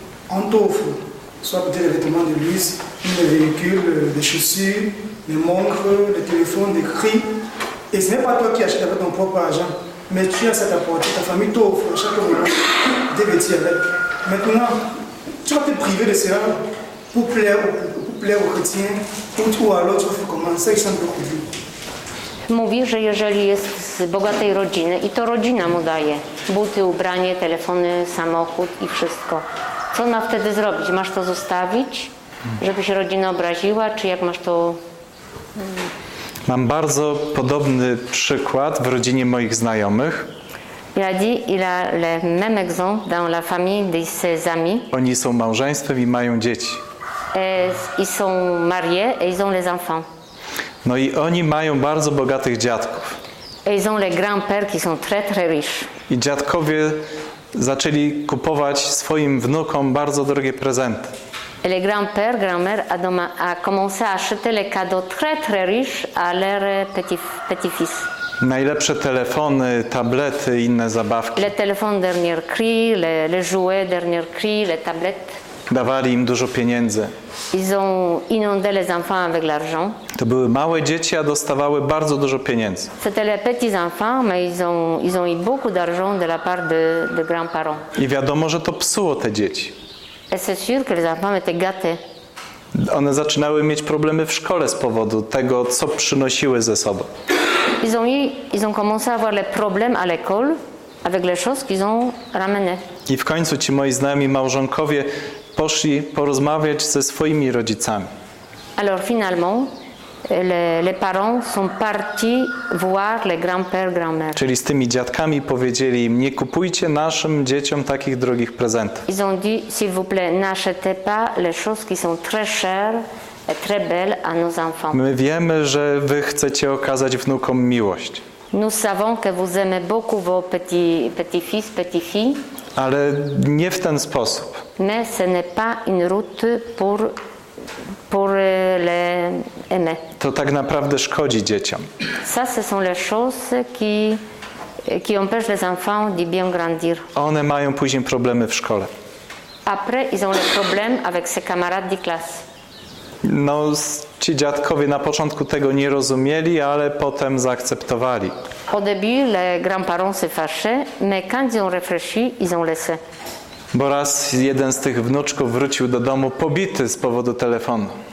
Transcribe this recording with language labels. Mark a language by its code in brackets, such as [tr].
[fr] On t'offre soit peut-être des vêtements de luxe, des véhicules, des chaussures, des montres, des téléphones, des cris. Et ce n'est pas toi qui achètes avec ton propre argent. mais tu as cette apport, ta famille t'offre chaque moment des vêtements avec. Maintenant, tu vas te priver de cela pour plaire aux chrétiens, ou alors tu vas faire comment? Ça, ils sont beaucoup plus. [pl] Mówi, że jeżeli jest z bogatej rodziny i to rodzina mu daje buty, ubranie, telefony, samochód i wszystko. Co ma wtedy zrobić? Masz to zostawić, żeby się rodzina obraziła, czy jak masz to... Mam bardzo podobny przykład w rodzinie moich znajomych. [fr] Il a dit, il a le même exemple dans la famille de ses amis. [pl] Oni są małżeństwem i mają dzieci. [fr] Ils sont mariés et ils ont les enfants. [pl] No i oni mają bardzo bogatych dziadków. [fr] Ils ont les grands-pères qui sont très, très riches. [pl] I dziadkowie zaczęli kupować swoim wnukom bardzo drogie prezenty. [fr] Et les grands-pères, grand-mères a commencé à acheter les cadeaux très, très riches à leurs petits-fils. [pl] Najlepsze telefony, tablety, inne zabawki. [fr] Les téléphones dernier cri, les jouets dernier cri, les tablettes. [pl] Dawali im dużo pieniędzy. [fr] Ils ont inondé les enfants avec l'argent. [pl] To były małe dzieci, a dostawały bardzo dużo pieniędzy. [fr] C'était les petits enfants, mais ils ont eu beaucoup d'argent de la part de grands-parents. [pl] I wiadomo, że to psuło te dzieci. [fr] Et c'est sûr que les enfants étaient gâtés. [pl] One zaczynały mieć problemy w szkole z powodu tego, co przynosiły ze sobą. [fr] Ils ont commencé à avoir les problèmes à l'école avec les choses qu'ils ont ramenées. [pl] I w końcu ci moi znajomi małżonkowie poszli porozmawiać ze swoimi rodzicami. [fr] Alors finalement, les parents sont partis voir les grands-pères, grand-mères. [pl] Czyli z tymi dziadkami powiedzieli im, nie kupujcie naszym dzieciom takich drogich prezentów. [fr] Ils ont dit, s'il vous plaît, n'achetez pas les choses qui sont très chères et très belles à nos enfants. [pl] My wiemy, że wy chcecie okazać wnukom miłość. [fr] Nous savons que vous aimez beaucoup vos petits-fils, petites-filles. [pl] Ale nie w ten sposób. [fr] Mais ce n'est pas une route pour les aimer. [pl] To tak naprawdę szkodzi dzieciom. [fr] Ça, ce sont les choses qui empêchent les enfants de bien grandir. [pl] One mają później problemy w szkole. [fr] Après, ils ont les problèmes avec ses camarades de classe. [pl] No, ci dziadkowie na początku tego nie rozumieli, ale potem zaakceptowali. [fr] Au début, les grands-parents se fâchaient, mais quand ils ont réfléchi, ils ont laissé. [pl] Bo raz jeden z tych wnuczków wrócił do domu pobity z powodu telefonu.